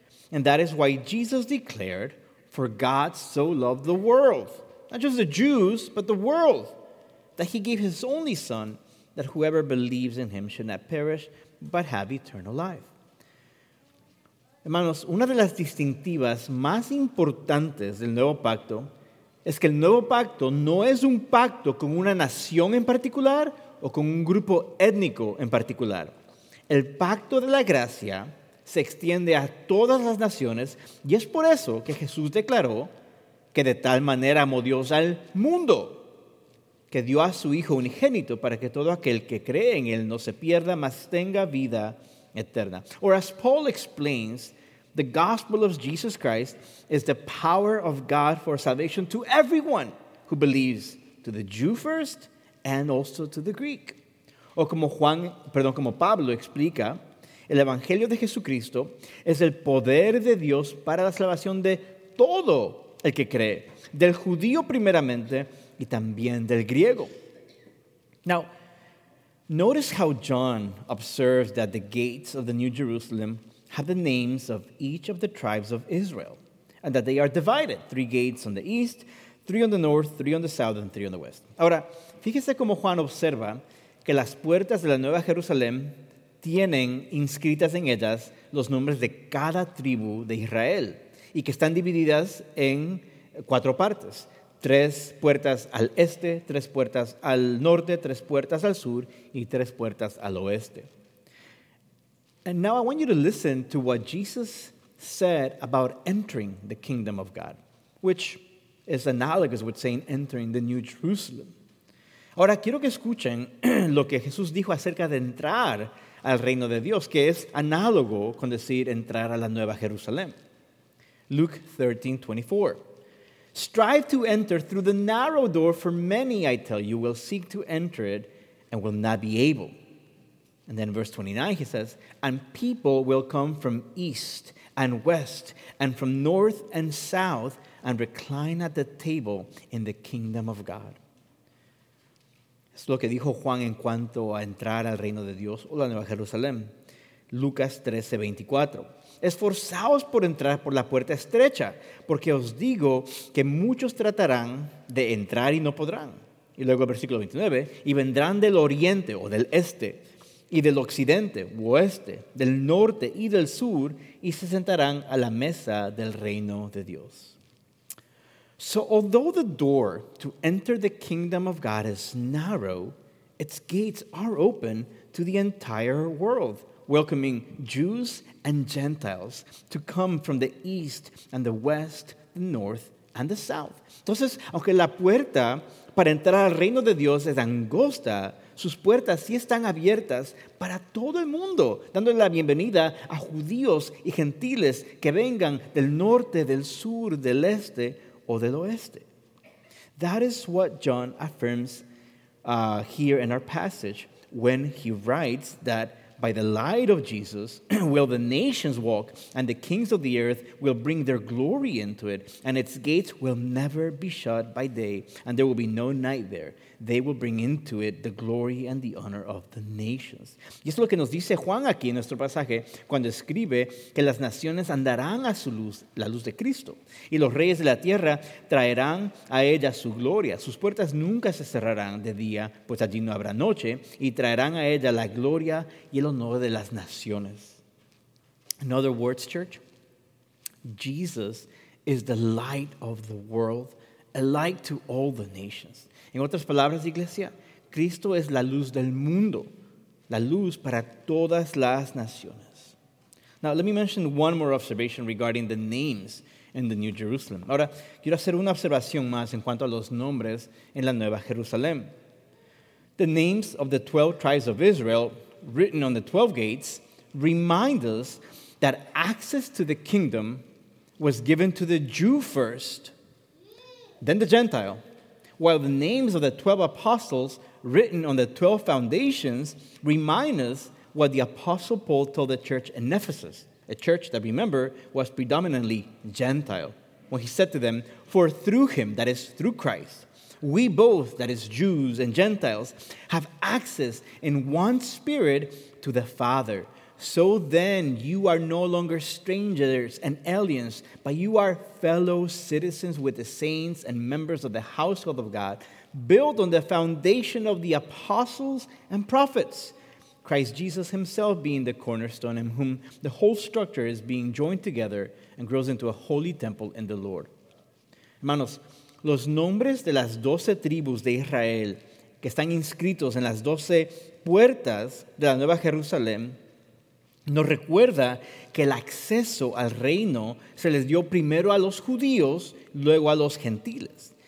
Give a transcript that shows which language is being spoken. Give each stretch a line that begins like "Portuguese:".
English: And that is why Jesus declared, "For God so loved the world," not just the Jews, but the world, "that he gave his only son, that whoever believes in him should not perish, but have eternal life."
Spanish: Hermanos, una de las distintivas más importantes del Nuevo Pacto es que el Nuevo Pacto no es un pacto con una nación en particular o con un grupo étnico en particular. El pacto de la gracia se extiende a todas las naciones, y es por eso que Jesús declaró que de tal manera amó Dios al mundo, que dio a su Hijo unigénito para que todo aquel que cree en él no se pierda, mas tenga vida eterna.
English: Or as Paul explains, the gospel of Jesus Christ is the power of God for salvation to everyone who believes, to the Jew first, and also to the Greek.
Spanish: O como Juan, perdón, como Pablo explica, el Evangelio de Jesucristo es el poder de Dios para la salvación de todo el que cree, del judío primeramente y también del griego.
English: Now, notice how John observes that the gates of the New Jerusalem have the names of each of the tribes of Israel, and that they are divided, 3 gates on the east, 3 on the north, 3 on the south, and 3 on the west.
Spanish: Ahora, fíjese cómo Juan observa que las puertas de la Nueva Jerusalén tienen inscritas en ellas los nombres de cada tribu de Israel y que están divididas en 4 partes. 3 puertas al este, 3 puertas al norte, 3 puertas al sur y 3 puertas al oeste.
English: And now I want you to listen to what Jesus said about entering the kingdom of God, which is analogous with saying entering the New Jerusalem.
Spanish: Ahora quiero que escuchen lo que Jesús dijo acerca de entrar al reino de Dios, que es análogo con decir entrar a la Nueva Jerusalén.
English: Luke 13:24. "Strive to enter through the narrow door, for many, I tell you, will seek to enter it and will not be able." And then verse 29, he says, "And people will come from east and west and from north and south and recline at the table in the kingdom of God."
Spanish: Es lo que dijo Juan en cuanto a entrar al reino de Dios o la Nueva Jerusalén. Lucas 13:24. "Esforzaos por entrar por la puerta estrecha, porque os digo que muchos tratarán de entrar y no podrán." Y luego el versículo 29. "Y vendrán del oriente o del este, y del occidente u oeste, del norte y del sur, y se sentarán a la mesa del reino de Dios."
English: So although the door to enter the kingdom of God is narrow, its gates are open to the entire world, welcoming Jews and Gentiles to come from the east and the west, the north and the south.
Spanish: Entonces, aunque la puerta para entrar al reino de Dios es angosta, sus puertas sí están abiertas para todo el mundo, dándole la bienvenida a judíos y gentiles que vengan del norte, del sur, del este, o del oeste.
English: That is what John affirms here in our passage when he writes that by the light of Jesus will the nations walk and the kings of the earth will bring their glory into it, and its gates will never be shut by day and there will be no night there. They will bring into it the glory and the honor of the nations.
Spanish: Y es lo que nos dice Juan aquí en nuestro pasaje cuando escribe que las naciones andarán a su luz, la luz de Cristo, y los reyes de la tierra traerán a ella su gloria. Sus puertas nunca se cerrarán de día, pues allí no habrá noche, y traerán a ella la gloria y el honor de las naciones.
English: In other words, church, Jesus is the light of the world, a light to all the nations.
Spanish: En otras palabras, iglesia, Cristo es la luz del mundo, la luz para todas las naciones.
English: Now, let me mention one more observation regarding the names in the New Jerusalem.
Spanish: Ahora, quiero hacer una observación más en cuanto a los nombres en la Nueva Jerusalén.
English: The names of the 12 tribes of Israel, written on the 12 gates, remind us that access to the kingdom was given to the Jew first, then the Gentile, while the names of the 12 apostles written on the 12 foundations remind us what the Apostle Paul told the church in Ephesus, a church that, remember, was predominantly Gentile, when he said to them, "For through him," that is, through Christ, "we both," that is, Jews and Gentiles, "have access in one spirit to the Father. So then you are no longer strangers and aliens, but you are fellow citizens with the saints and members of the household of God, built on the foundation of the apostles and prophets, Christ Jesus himself being the cornerstone, in whom the whole structure is being joined together and grows into a holy temple in the Lord."
Spanish: Hermanos, los nombres de las 12 tribus de Israel que están inscritos en las 12 puertas de la Nueva Jerusalén nos recuerda que el acceso al reino se les dio primero a los judíos, luego a los gentiles.